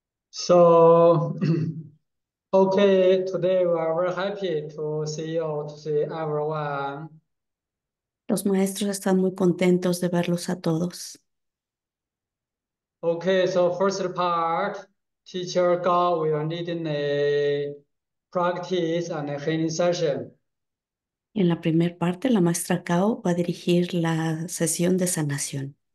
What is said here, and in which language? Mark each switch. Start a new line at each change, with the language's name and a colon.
English: So, okay, today we are very happy to see you, to see everyone.
Spanish: Los maestros están muy contentos de verlos a todos.
English: Okay, so first part, teacher Gao, we are needing a practice and a training session.
Spanish: En la primera parte, la maestra Cao va a dirigir la sesión de sanación.